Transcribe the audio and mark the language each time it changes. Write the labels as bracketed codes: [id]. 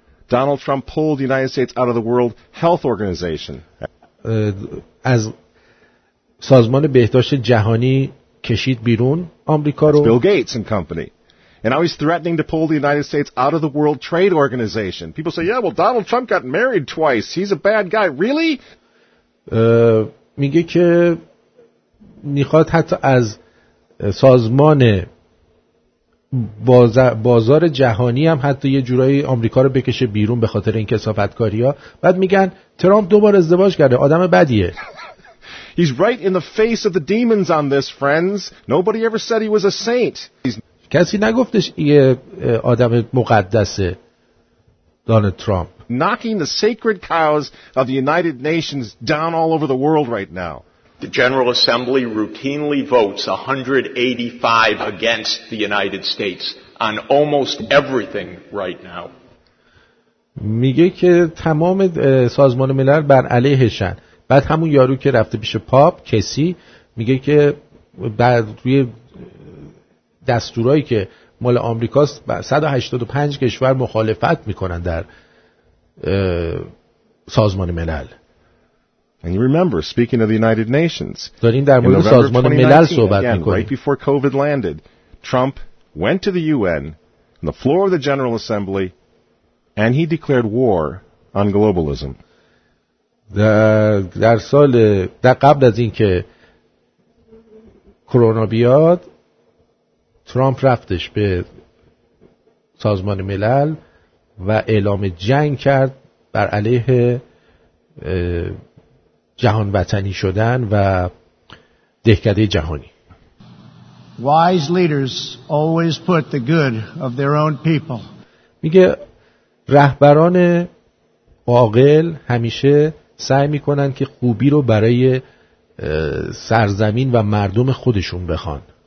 [en] Donald Trump pulled the United States out of the World Health Organization. [fa] از سازمان بهداشت جهانی کشید بیرون آمریکا رو. [en] Bill Gates and company. And now he's threatening to pull the United States out of the World Trade Organization. People say, "Yeah, well, Donald Trump got married twice. He's a bad guy, really." [fa] میگه که میخواد حتی از سازمان بازار جهانی هم حتی یه جورایی آمریکا رو بکشه بیرون به خاطر این کثافتکاری‌ها. بعد میگن ترامپ دوباره ازدواج کرده. آدم بدیه. [en] He's right in the face of the demons on this, friends. Nobody ever said he was a saint. [fa] کسی نگفتش یه آدم مقدسه دونالد ترامپ [en] knocking the sacred cows of the United Nations down all over the world right now the General Assembly routinely votes 185 against the United States on almost everything right now [fa] میگه که تمام سازمان ملل بر علیهشن بعد همون یارو که رفته پیش پاپ کسی میگه که بعد روی دستورایی که مال آمریکاست 185 کشور مخالفت میکنن در سازمان ملل. [en] And you remember speaking of the United Nations. [fa] داریم در مورد سازمان ملل صحبت میکنیم. [en] Right before COVID landed, Trump went to the UN on the floor of the General Assembly and he declared war on globalism. [fa] در سال در قبل از اینکه کرونا بیاد ترامپ رفتش به سازمان ملل و اعلام جنگ کرد بر علیه جهان وطنی شدن و دهکده جهانی. [en] Wise leaders always put the good of their own people. [fa] میگه رهبران عاقل همیشه سعی میکنن که خوبی رو برای سرزمین و مردم خودشون بخوان.